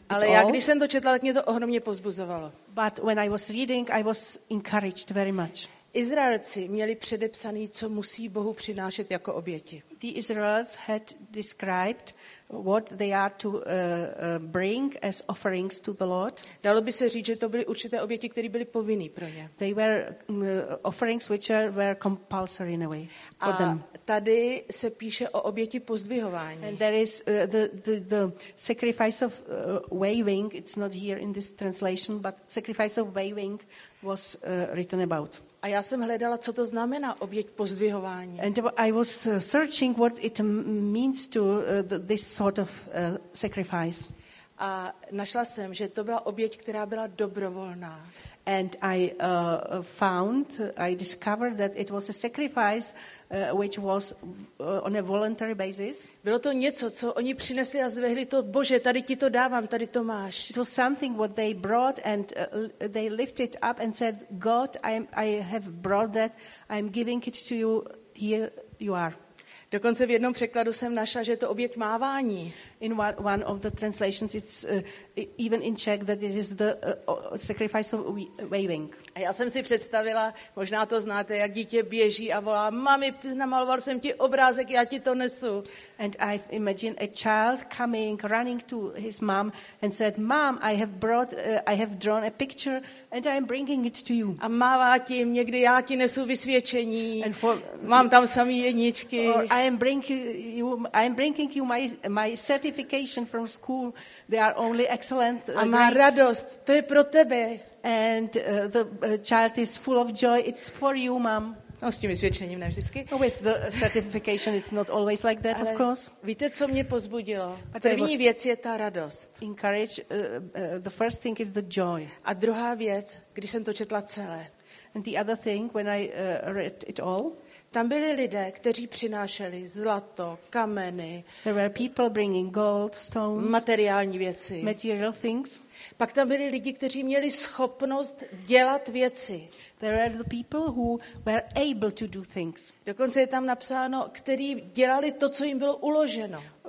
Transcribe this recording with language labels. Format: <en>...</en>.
<cs>Ale já když jsem to četla, tak mě to ohromně pozbuzovalo.</cs> <en>But when I was reading, I was encouraged very much.</en> <cs>Izraelci měli předepsaný, co musí Bohu přinášet jako oběti.</cs> <en>The Israelites had described what they are to bring as offerings to the Lord.</en> <cs>Dalo by se říct, že to byly určité oběti, které byly povinné pro ně.</cs> <en>They were offerings which were compulsory in a way for them.</en> <cs>Tady se píše o oběti pozdvihování.</cs> <en>And there is the sacrifice of waving. It's not here in this translation, but sacrifice of waving was written about.</en> <cs>A já jsem hledala, co to znamená oběť pozdvihování.</cs> <en>And I was searching what it means to this sort of sacrifice.</en> <cs>A našla jsem, že to byla oběť, která byla dobrovolná.</cs> <en>And I discovered that it was a sacrifice which was on a voluntary basis.</en> <cs>Bylo to něco, co oni přinesli a zdvihli to, Bože, tady ti to dávám, tady to máš.</cs> <en>It was something what they brought and they lifted up and said, God, I have brought that, I'm giving it to you, here you are.</en> <cs>Dokonce v jednom překladu jsem našla, že je to oběť mávání.</cs> <en>In one of the translations it's even in Czech that it is the sacrifice of waving.</en> <cs>A já jsem si představila, možná to znáte, jak dítě běží a volá: "Mami, namaloval jsem ti obrázek, já ti to nesu."</cs> <en>And I imagine a child coming running to his mom and said, "Mom, I have drawn a picture and I'm bringing it to you."</en> <cs>A mává tím, někdy já ti nesu vysvědčení.</cs> <en>And for,</en> <cs>mám tam samý jedničky.</cs> <en>I am bringing you my certification from school, they are only excellent.</en> <cs>A má radost, to je pro tebe.</cs> <en>And the child is full of joy, it's for you, mom.</en> <cs>No, s tím vysvědčením ne vždycky.</cs> <en>No, with the certification, it's not always like that,</en> <cs>ale</cs> <en>of course.</en> <cs>Víte, co mě pozbudilo? První věc je ta radost.</cs> <en>Encourage, the first thing is the joy.</en> <cs>A druhá věc, když jsem to četla celé.</cs> <en>And the other thing, when I read it all.</en> <cs>Tam byli lidé, kteří přinášeli zlato, kameny.</cs> <en>There were people bringing gold, stones,</en> <cs>materiální věci.</cs> <en>Material things.</en> <cs>Pak tam byli lidi, kteří měli schopnost dělat věci.</cs> <en>There were the people who were able to do things.</en> <cs>Dokonce je tam napsáno, kteří dělali to, co jim bylo uloženo.</cs>